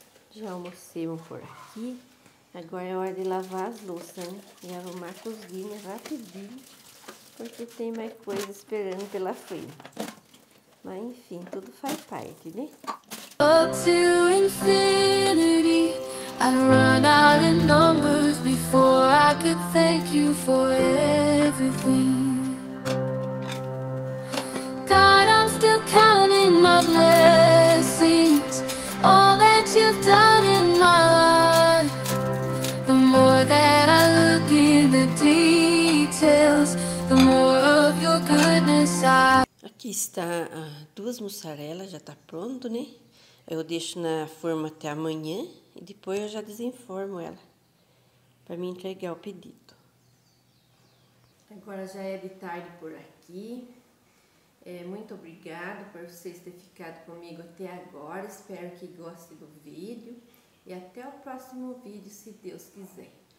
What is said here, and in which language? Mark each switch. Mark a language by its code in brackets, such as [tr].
[pt] Já almocei, vou por aqui. Agora é hora de lavar as louças, né? E arrumar a cozinha rapidinho, porque tem mais coisa esperando pela frente. Mas enfim, tudo faz parte, né? [en] Up to infinity, I'd run out in numbers before I could thank you for everything. God, I'm still counting my blessings, all that you've done in my life. The more that I look in the details, the more of your goodness I... [pt] Aqui está duas mussarelas, já tá pronto, né? Eu deixo na forma até amanhã e depois eu já desenformo ela para me entregar o pedido. Agora já é de tarde por aqui. Muito obrigada por vocês terem ficado comigo até agora. Espero que gostem do vídeo. E até o próximo vídeo, se Deus quiser.